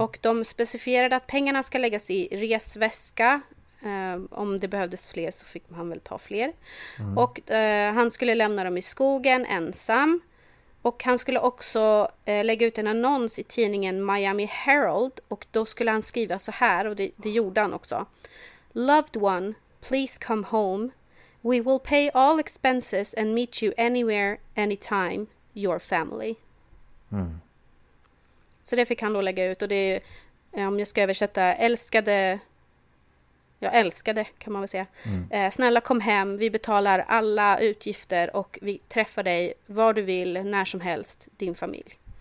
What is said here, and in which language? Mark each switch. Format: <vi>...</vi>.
<sv>Och de specificerade att pengarna ska läggas i resväska. Om det behövdes fler så fick han väl ta fler. Mm. Och han skulle lämna dem i skogen ensam. Och han skulle också lägga ut en annons i tidningen Miami Herald. Och då skulle han skriva så här, och det gjorde han också.</sv> <en>Loved one, please come home. We will pay all expenses and meet you anywhere, anytime, your family. Mm.</en> <sv>Så det fick han då lägga ut. Och det är, om jag ska översätta, älskade... Ja, älskade kan man väl säga. Mm. Snälla kom hem, vi betalar alla utgifter och vi träffar dig var du vill, när som helst, din familj.</sv>